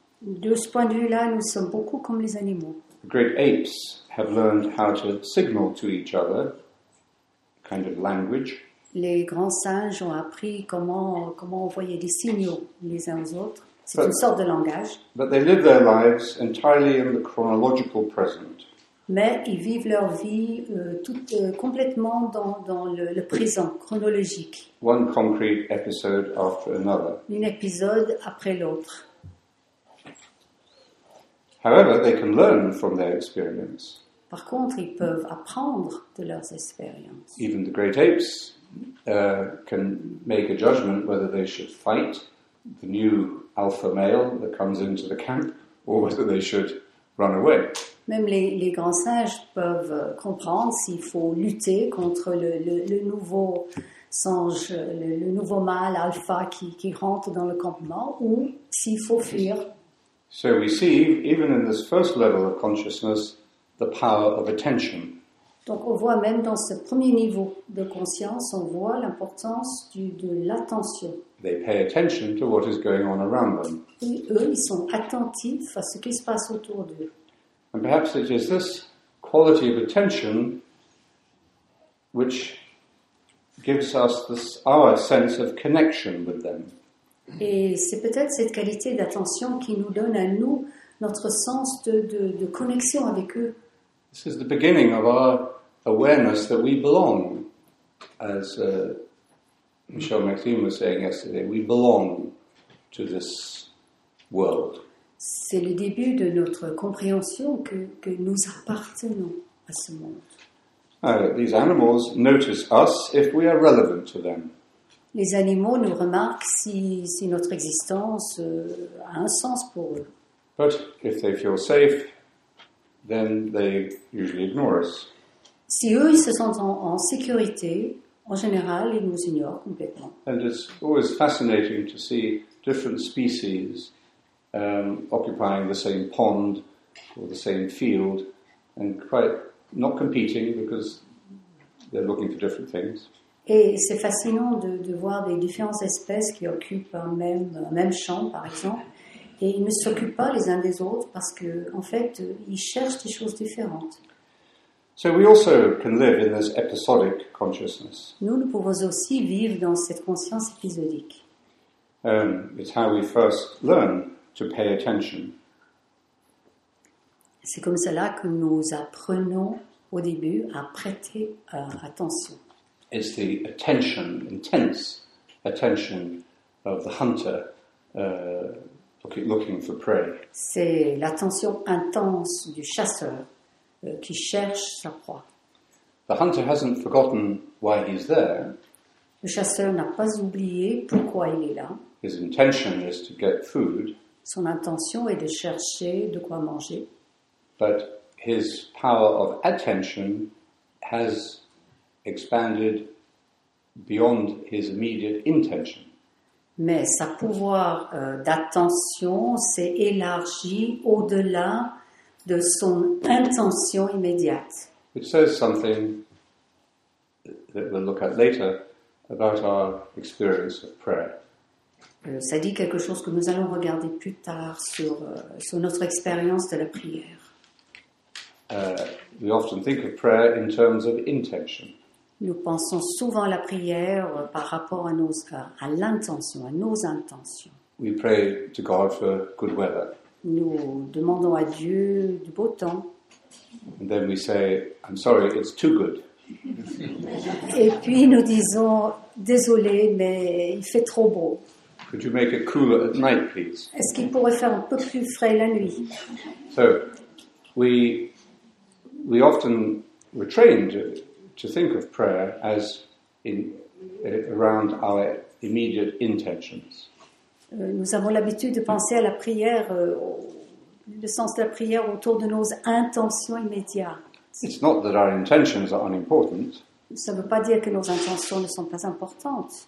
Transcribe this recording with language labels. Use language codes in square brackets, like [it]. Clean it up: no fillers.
[fr] De ce point de vue-là, nous sommes beaucoup comme les animaux. [en] Great apes have learned how to signal to each other, kind of language. [fr] Les grands singes ont appris comment envoyer des signaux les uns aux autres. C'est une sorte de langage. [en] But they live their lives entirely in the chronological present. [fr] Mais ils vivent leur vie complètement dans le présent chronologique. [en] One concrete episode after another. [fr] Un épisode après l'autre. [en] However, they can learn from their experience. [fr] Par contre, ils peuvent apprendre de leurs expériences. [en] Even the great apes can make a judgment whether they should fight the new alpha male that comes into the camp or whether they should run away. [fr] Même les grands singes peuvent comprendre s'il faut lutter contre le nouveau singe, le nouveau mâle alpha qui rentre dans le campement ou s'il faut fuir. [en] So we see, even in this first level of consciousness, the power of attention. [fr] Donc on voit même dans ce premier niveau de conscience, on voit l'importance de l'attention. [en] They pay attention to what is going on around them. [fr] Et eux, ils sont attentifs à ce qui se passe autour d'eux. [en] And perhaps it is this quality of attention which gives us our sense of connection with them. [fr] Et c'est peut-être cette qualité d'attention qui nous donne à nous notre sens de connexion avec eux. [en] This is the beginning of our awareness that we belong. As Michel Maxime was saying yesterday, we belong to this world. [fr] C'est le début de notre compréhension que nous appartenons à ce monde. [en] These animals notice us if we are relevant to them. [fr] Les animaux nous remarquent si notre existence a un sens pour eux. [en] But if they feel safe, then they usually ignore us. [fr] Si eux, ils se sentent en sécurité, en général, ils nous ignorent complètement. [en] And it's always fascinating to see different species occupying the same pond or the same field and quite not competing because they're looking for different things. [fr] Et c'est fascinant de voir des différentes espèces qui occupent un même champ, par exemple, et ils ne s'occupent pas les uns des autres parce que, en fait, ils cherchent des choses différentes. [en] So we also can live in this episodic consciousness. [fr] Nous pouvons aussi vivre dans cette conscience épisodique. [en] It's how we first learn to pay attention. [fr] C'est comme cela que nous apprenons au début à prêter attention. [en] It's the attention, intense attention of the hunter looking for prey. [fr] C'est l'attention intense du chasseur qui cherche sa proie. [en] The hunter hasn't forgotten why he's there. [fr] Le chasseur n'a pas oublié pourquoi il est là. [en] His intention is to get food. [fr] Son intention est de chercher de quoi manger. [en] But his power of attention has expanded beyond his immediate intention. [fr] Mais sa pouvoir d'attention s'est élargi au-delà de son intention immédiate. [en] It says something that we'll look at later about our experience of prayer. [fr] Ça dit quelque chose que nous allons regarder plus tard sur, sur notre expérience de la prière. [en] We often think of prayer in terms of intention. [fr] Nous pensons souvent à la prière par rapport à nos, à l'intention, à nos intentions. [en] We pray to God for good weather. [fr] Nous demandons à Dieu du beau temps. [en] And then we say, I'm sorry, it's too good. [fr] Et puis nous disons, désolé, mais il fait trop beau. [en] Could you make it cooler at night, please? [fr] Est-ce qu'il pourrait faire un peu plus frais la nuit? [en] So, we often were trained to think of prayer as in around our immediate intentions. [fr] Nous avons l'habitude de penser à la prière, le sens de la prière autour de nos intentions immédiates. [en] It's not that our intentions are unimportant. [fr] Ça ne veut pas dire que nos intentions ne sont pas importantes.